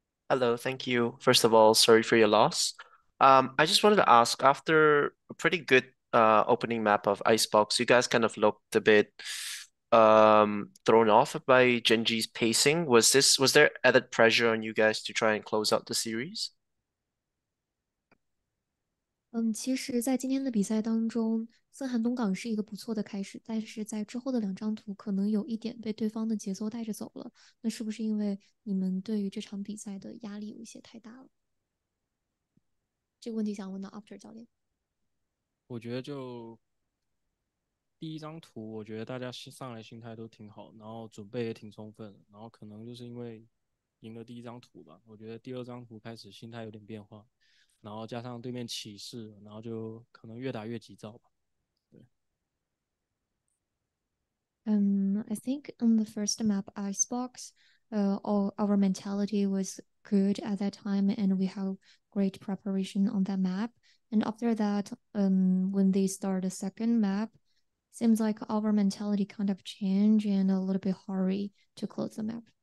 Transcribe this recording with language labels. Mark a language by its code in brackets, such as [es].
[en] Hello, thank you. First of all, sorry for your loss. I just wanted to ask, after a pretty good opening map of Icebox, you guys kind of looked a bit thrown off by Genji's pacing. Was there added pressure on you guys to try and close out the series? [zh] 其实，在今天的比赛当中，森寒东港是一个不错的开始，但是在之后的两张图，可能有一点被对方的节奏带着走了。那是不是因为你们对于这场比赛的压力有一些太大了？这个问题想问到 After 教练。我觉得就第一张图，我觉得大家上来心态都挺好，然后准备也挺充分，然后可能就是因为赢了第一张图吧，我觉得第二张图开始心态有点变化，然后加上对面起势，然后就可能越打越急躁吧。 [en] I think on the first map, Icebox, all our mentality was good at that time, and we have great preparation on that map. And after that, when they start a second map, seems like our mentality kind of change and a little bit hurry to close the map.